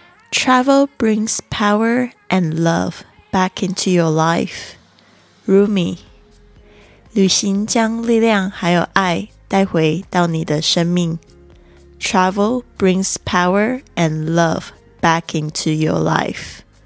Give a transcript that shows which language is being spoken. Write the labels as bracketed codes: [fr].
[en] Travel brings power and love back into your life. Rumi. [zh] 旅行将力量还有爱带回到你的生命。 [en] Travel brings power and love back into your life.